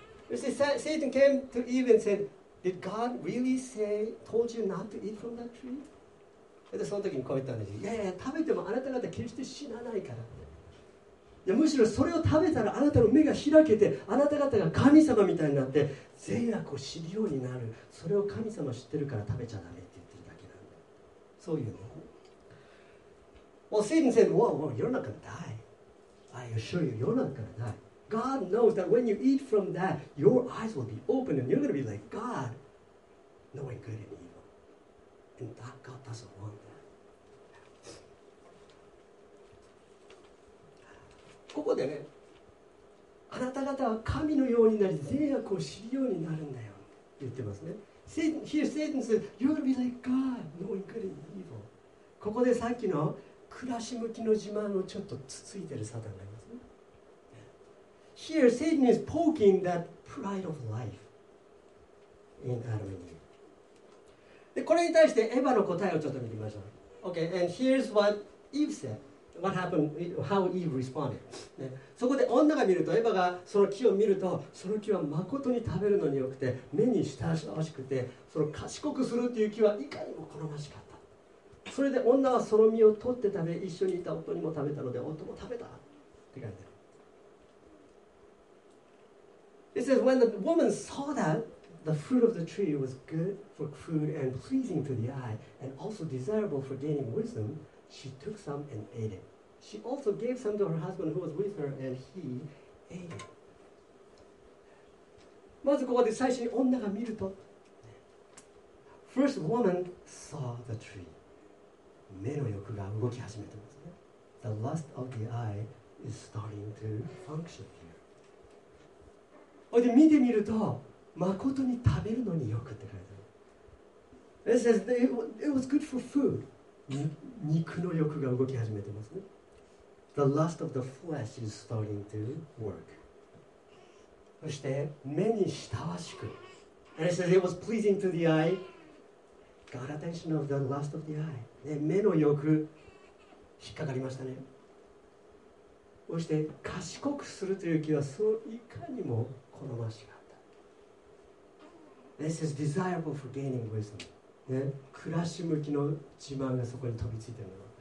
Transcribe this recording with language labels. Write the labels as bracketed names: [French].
[English] You see, Satan came to Eve and said, Did God really say, told you not to eat from that tree? [Japanese] でその時にこう言ったんですよ。いやいや、食べてもあなた方決して死なないからって。いや、むしろそれを食べたらあなたの目が開けて、あなた方が神様みたいになって、善悪を知るようになる。それを神様知ってるから食べちゃダメって言ってるだけなんだ。そういうの。 [English] Well, Satan said, whoa, whoa, you're not going to die. I assure you, you're not going to die. God knows that when you eat from that, your eyes will be open and you're going to be like God, knowing good and evil. And that God doesn't want that. [Japanese] ここでね、あなた方は神のようになり、善悪を知るようになるんだよ。言ってますね。 [English] Satan said, you're going to be like God, knowing good and evil. [Japanese] ここでさっきの暮らし向きの自慢をちょっとつついてるサタンがいますね。 [English] Here, Satan is poking that pride of life in Adam and Eve. [Japanese] で、これに対してエヴァの答えをちょっと見てみましょう。 [English] Okay, and here's what Eve said. What happened? How Eve responded?、 [Japanese] ね、そこで女が見ると、エヴァがその木を見ると、その木は誠に食べるのによくて、目に親しくて、その賢くするという木はいかにも好ましかった。それで女はその実を取って食べ、一緒にいた夫にも食べたので、夫も食べた。って感じ。 [English] It says, when the woman saw that the fruit of the tree was good for food and pleasing to the eye and also desirable for gaining wisdom, she took some and ate it. She also gave some to her husband who was with her and he ate it. [Japanese] まずここで最初に女が見ると [English] First woman saw the tree. [Japanese] 目の欲が動き始めてますね。 [English] The lust of the eye is starting to function. [Japanese] で見てみると、誠に食べるのによくって書いてある。 [English] It says that it was good for food. [Japanese] 肉の欲が動き始めてますね。 [English] The lust of the flesh is starting to work. [Japanese] そして、目に親しく。 [English] And it says it was pleasing to the eye. Got attention of the lust of the eye. [Japanese] で目の欲、引っかかりましたね。そして、賢くするという気は、そういかにも。好ましかった。 [English] This is desirable for gaining wisdom. [Japanese] ね、暮らし向きの自慢がそこに飛びついてるの。